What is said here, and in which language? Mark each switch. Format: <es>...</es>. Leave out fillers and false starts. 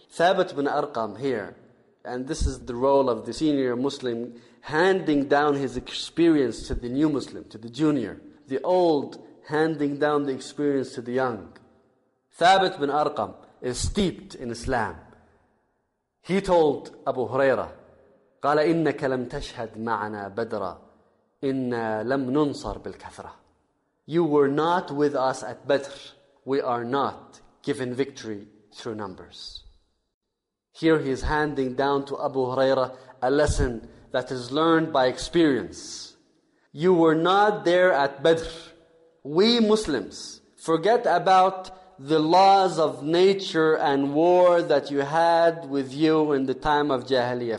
<en>Thabit bin Arqam here, and this is the role of the senior Muslim, handing down his experience to the new Muslim, to the junior. The old handing down the experience to the young. Thabit bin Arqam is steeped in Islam. He told Abu Hurairah,</en> <ar>قَالَ إِنَّكَ لَمْ تَشْهَدْ مَعَنَا بَدْرًا إِنَّا لَمْ نُنصَرْ بِالْكَثْرَةِ.</ar> <en>You were not with us at Badr. We are not given victory through numbers. Here he is handing down to Abu Hurairah a lesson that is learned by experience. You were not there at Badr. We Muslims, forget about the laws of nature and war that you had with you in the time of Jahiliyyah.</en>